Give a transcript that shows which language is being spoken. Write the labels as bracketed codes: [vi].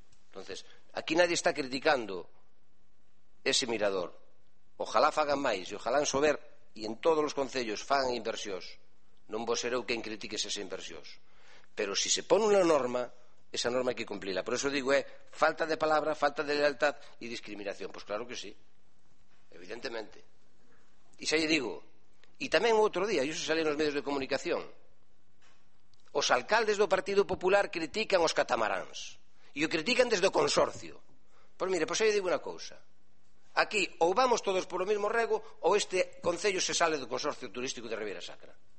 [es] Entonces, aquí nadie está criticando ese mirador. [gl] Ojalá fagan máis e ojalá en Sober e en todos os concellos fagan inversións. Non vou ser eu quen critique esas inversións. Pero se se pone unha norma, esa norma hai que cumplirla. Por eso digo, falta de palabra, falta de lealtad e discriminación. Pois claro que sí, evidentemente. E xa lle digo, e tamén outro día, iso salía nos medios de comunicación, os alcaldes do Partido Popular critican os catamaráns e o critican desde o consorcio. Pois mire, pois aí digo unha cousa, aquí ou vamos todos por o mesmo rego ou este concello se sale do consorcio turístico de Riviera Sacra.